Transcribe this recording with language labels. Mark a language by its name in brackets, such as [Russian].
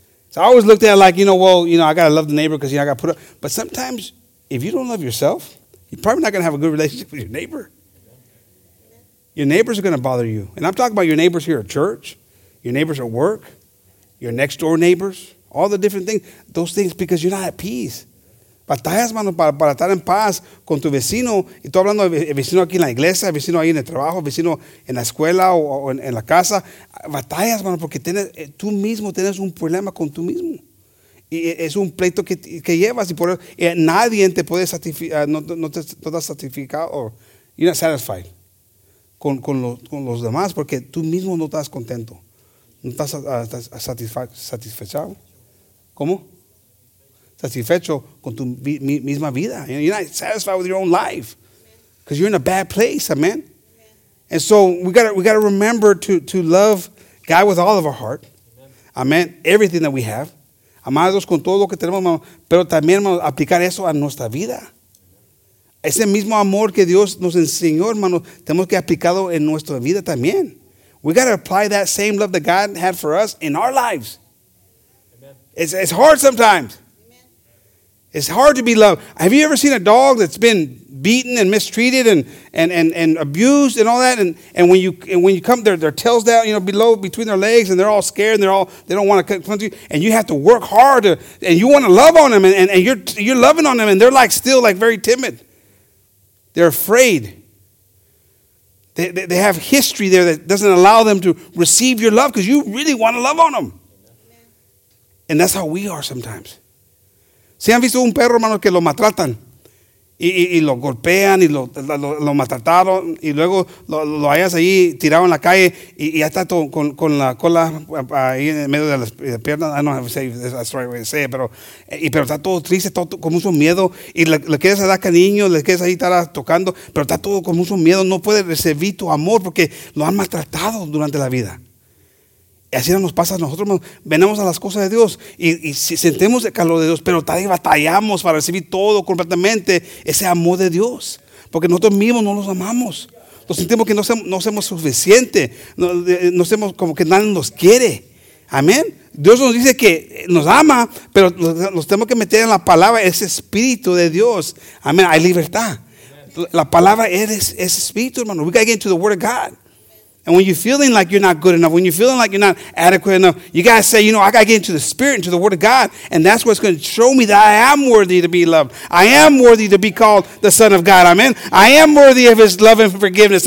[English] So I always looked at it like, I got to love the neighbor because, I got to put up. But sometimes, if you don't love yourself, you're probably not going to have a good relationship with your neighbor. Your neighbors are going to bother you. And I'm talking about your neighbors here at church, your neighbors at work, your next door neighbors, all the different things. Those things, because you're not at peace. [Spanish] Batallas, mano, para estar en paz con tu vecino. Y estoy hablando de vecino aquí en la iglesia, vecino ahí en el trabajo, vecino en la escuela o en la casa. Batallas, mano, porque tú mismo tienes un problema con tú mismo. Y es un pleito que llevas. Y por eso nadie te puede satisfacer, no te has satisfacado. [English] You're not satisfied [Spanish] con los demás porque tú mismo no estás contento. No estás satisfechado. ¿Cómo? Satisfecho con tu misma vida. [English] You're not satisfied with your own life because you're in a bad place, amen? And so we gotta remember to love God with all of our heart, amen? Everything that we have. [Spanish] Amados con todo lo que tenemos, pero también aplicar eso a nuestra vida. Ese mismo amor que Dios nos enseñó, hermano, tenemos que aplicarlo en nuestra vida también. [English] We got to apply that same love that God had for us in our lives. Amen. It's hard sometimes. Amen. It's hard to be loved. Have you ever seen a dog that's been beaten and mistreated and abused and all that? And when you come, their tail's down, below, between their legs, and they're all scared, and they don't want to come to you. And you have to work hard, and you want to love on them, and you're loving on them, and they're still very timid. They're afraid. They have history there that doesn't allow them to receive your love because you really want to love on them. Amen. And that's how we are sometimes. [Spanish] ¿Se han visto un perro, hermano, que lo maltratan? Y lo golpean y lo maltrataron. Y luego lo hayas ahí tirado en la calle y hasta con la cola ahí en medio de las piernas. [English] I don't have to say this, that's the right way to say it. [Spanish] Pero está todo triste, todo con mucho miedo. Y le quieres dar cariño, le quieres ahí estar tocando. Pero está todo con mucho miedo. No puede recibir tu amor porque lo han maltratado durante la vida. Y así nos pasa a nosotros, hermano. Venimos a las cosas de Dios y sentemos el calor de Dios, pero todavía batallamos para recibir todo completamente ese amor de Dios. Porque nosotros mismos no los amamos. Nos sentimos que no somos suficiente. No somos como que nadie nos quiere. Amén. Dios nos dice que nos ama, pero nos tenemos que meter en la palabra, ese espíritu de Dios. Amén. Hay libertad. La palabra es espíritu, hermano. [English] We got to get into the Word of God. And when you're feeling like you're not good enough, when you're feeling like you're not adequate enough, you got to say, I got to get into the Spirit, into the Word of God. And that's what's going to show me that I am worthy to be loved. I am worthy to be called the Son of God. Amen. I am worthy of His love and forgiveness.